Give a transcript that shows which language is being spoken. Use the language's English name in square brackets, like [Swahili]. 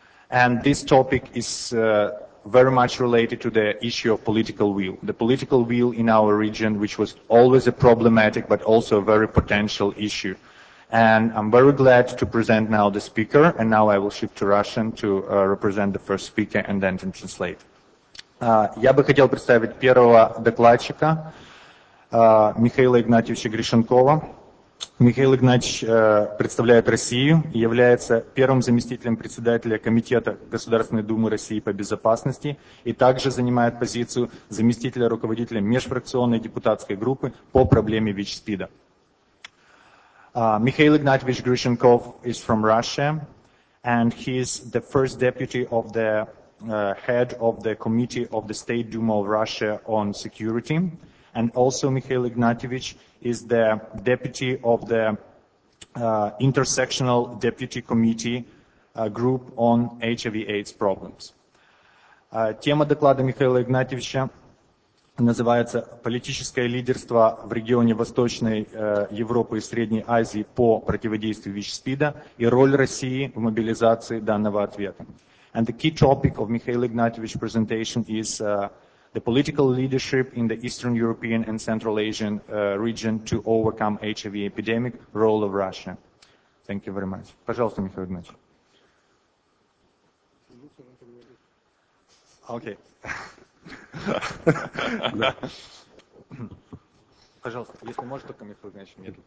[English] And this topic is very much related to the issue of political will. The political will in our region, which was always a problematic but also a very potential issue. And I'm very glad to present now the speaker, and now I will shift to Russian to represent the first speaker and then to translate. [Russian] Я бы хотел представить первого докладчика, Михаила Игнатьевича Гришенкова. Михаил Игнатьевич представляет Россию и является первым заместителем председателя Комитета Государственной Думы России по безопасности и также занимает позицию заместителя руководителя межфракционной депутатской группы по проблеме ВИЧ-СПИДа. [English] Михаил Игнатьевич Гришенков is from Russia, and he is the first deputy of the head of the Committee of the State Duma of Russia on Security. And also Mikhail Ignatievich is the deputy of the Intersectional Deputy Committee Group on HIV-AIDS Problems. [Russian] Тема доклада Михаила Игнатьевича называется «Политическое лидерство в регионе Восточной Европы и Средней Азии по противодействию ВИЧ-СПИДа и роль России в мобилизации данного ответа». [English] And the key topic of Mikhail Ignatievich's presentation is the political leadership in the Eastern European and Central Asian region to overcome HIV epidemic, role of Russia. Thank you very much. [Russian] Пожалуйста, Михаил Игнатьевич. [English] Okay. [Russian] Пожалуйста, если можешь, только Михаил Игнатьевич.